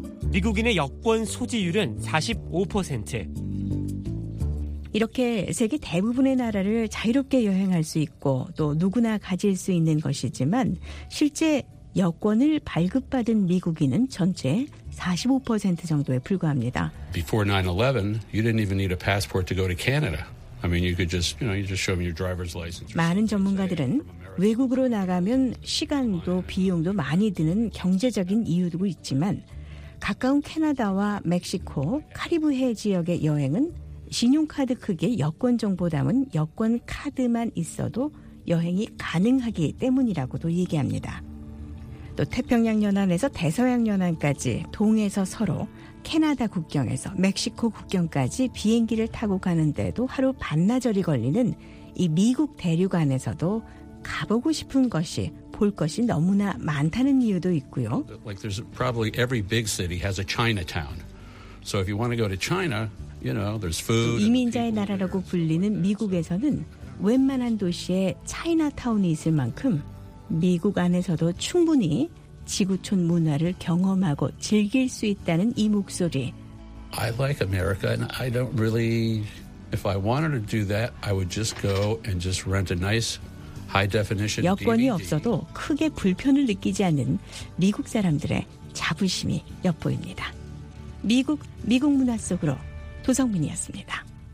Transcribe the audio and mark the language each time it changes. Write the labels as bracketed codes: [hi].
[ko] 미국인의 여권 소지율은 45%. 이렇게 세계 대부분의 나라를 자유롭게 여행할 수 있고 또 누구나 가질 수 있는 것이지만 실제 여권을 발급받은 미국인은 전체 45% 정도에 불과합니다. [en] Before 9/11, you didn't even need a passport to go to Canada. I mean, you could just, you know, you just show them your driver's license. [ko] 많은 전문가들은 외국으로 나가면 시간도 비용도 많이 드는 경제적인 이유도 있지만 가까운 캐나다와 멕시코, 카리브해 지역의 여행은 신용카드 크기의 여권 정보 담은 여권 카드만 있어도 여행이 가능하기 때문이라고도 얘기합니다. 또 태평양 연안에서 대서양 연안까지 동에서 서로 캐나다 국경에서 멕시코 국경까지 비행기를 타고 가는데도 하루 반나절이 걸리는 이 미국 대륙 안에서도 가보고 싶은 것이 볼 것이 너무나 많다는 이유도 있고요. [en] Like there's probably every big city has a Chinatown. So if you want to go to China, you know, there's food. [ko] 이민자의 나라라고 불리는 미국에서는 웬만한 도시에 차이나타운이 있을 만큼 미국 안에서도 충분히 지구촌 문화를 경험하고 즐길 수 있다는 이 목소리. [en] I like America and I don't really if I wanted to do that, I would just go and just rent a nice [ko] 여권이 없어도 크게 불편을 느끼지 않는 미국 사람들의 자부심이 엿보입니다. 미국 문화 속으로 도성민이었습니다.